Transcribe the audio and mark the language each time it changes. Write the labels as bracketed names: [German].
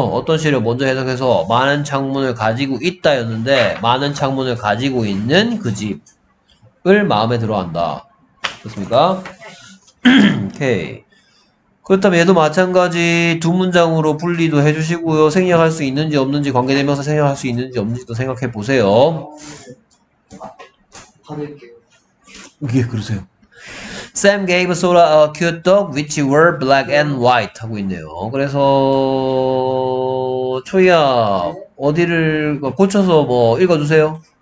[Korean] 어떤 시를 먼저 해석해서 많은 창문을 가지고 있다 였는데 많은 창문을 가지고 있는 그 집을 마음에 들어 한다. 그렇습니까? 오케이. 그렇다면 얘도 마찬가지 두 문장으로 분리도 해주시고요. 생략할 수 있는지 없는지 관계되면서 생략할 수 있는지 없는지도 생각해 보세요. 받을게요. 예, 그러세요. [English] Sam gave Sora a cute dog which were black and white [Korean] 하고 있네요. 그래서 초이야 어디를 고쳐서 뭐 읽어주세요.